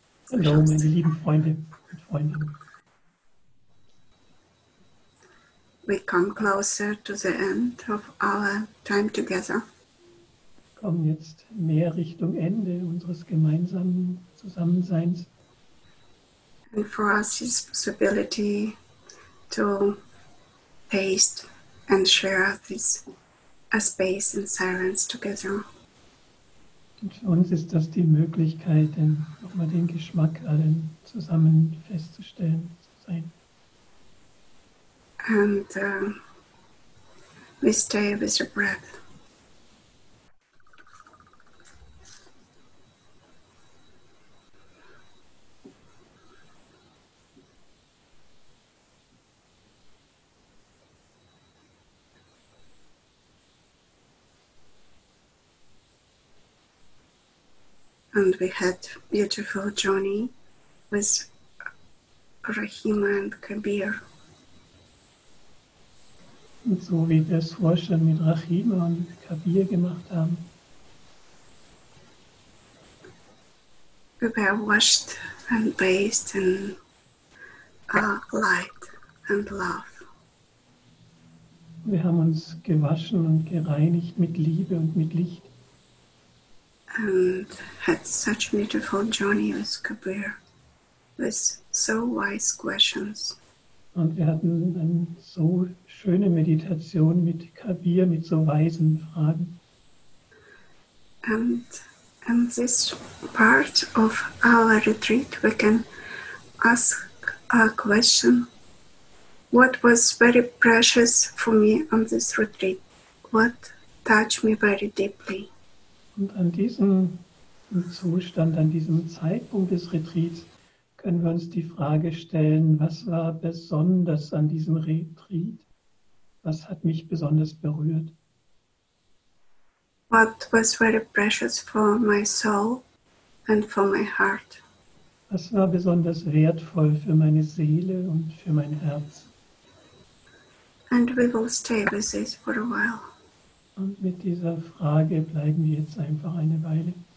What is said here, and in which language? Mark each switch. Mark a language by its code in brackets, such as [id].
[de] Hallo, meine lieben Freunde und Freundinnen. [en] We come closer to the end of our time together. [de] Wir kommen jetzt mehr Richtung Ende unseres gemeinsamen Zusammenseins. [en] And for us is possibility to taste and share this a space in silence together. [de] Und für uns ist das die Möglichkeit, denn nochmal den Geschmack allen zusammen festzustellen, zu sein. [en] And we stay with your breath. And we had a beautiful journey with Rahima and Kabir. [de] Und so wie wir es vorher schon mit Rahima und Kabir gemacht haben. [en] We were washed and bathed in light and love. [de] Wir haben uns gewaschen und gereinigt mit Liebe und mit Licht. [en] And had such a beautiful journey with Kabir, with so wise questions. [de] Und wir hatten eine so schöne Meditation mit Kabir, mit so weisen Fragen. [en] And this part of our retreat, we can ask a question. What was very precious for me on this retreat? What touched me very deeply? [de] Und an diesem Zustand, an diesem Zeitpunkt des Retreats, können wir uns die Frage stellen, was war besonders an diesem Retreat? Was hat mich besonders berührt? [en] What was very precious for my soul and for my heart? [de] Was war besonders wertvoll für meine Seele und für mein Herz? [en] And we will stay with this for a while. [de] Und mit dieser Frage bleiben wir jetzt einfach eine Weile.